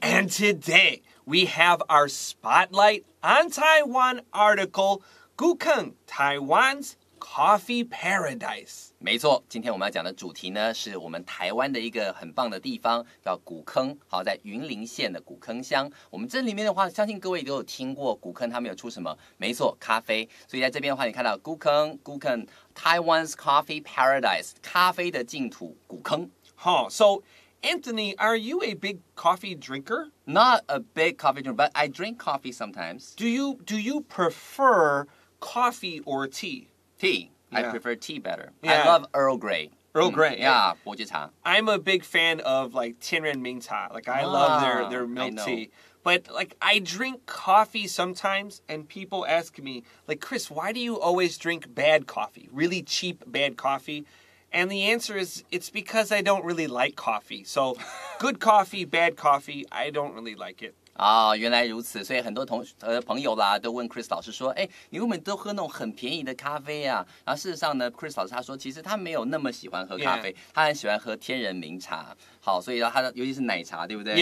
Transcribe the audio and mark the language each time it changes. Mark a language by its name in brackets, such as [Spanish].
[English] And today, we have our spotlight on Taiwan article, Gukeng, Taiwan's Coffee Paradise. [Chinese] 没错，今天我们要讲的主题呢，是我们台湾的一个很棒的地方，叫古坑，好，在云林县的古坑乡。我们这里面的话，相信各位都有听过古坑，他们有出什么？没错，咖啡。所以在这边的话，你看到 [English] Gukeng, Taiwan's Coffee Paradise, [Chinese] 咖啡的净土，古坑。 [English] Huh, so, Anthony, are you a big coffee drinker? Not a big coffee drinker, but I drink coffee sometimes. Do you prefer coffee or tea? Tea. Yeah. I prefer tea better. Yeah. I love Earl Grey. Earl Grey, yeah. [Chinese] 伯爵茶 [English] I'm a big fan of like 天然名茶.Like I love their milk tea. But like I drink coffee sometimes and people ask me, like Chris, why do you always drink bad coffee? Really cheap bad coffee? And the answer is it's because I don't really like coffee. So good coffee, bad coffee, I don't really like it. [Chinese] 哦、原来如此，所以很多朋友啦都问 Chris 老师说，哎，你为什么都喝那种很便宜的咖啡啊？然后事实上呢 ，Chris 老师他说，其实他没有那么喜欢喝咖啡， [English] yeah. [Chinese] 他很喜欢喝天然名茶。好，所以他尤其是奶茶，对不对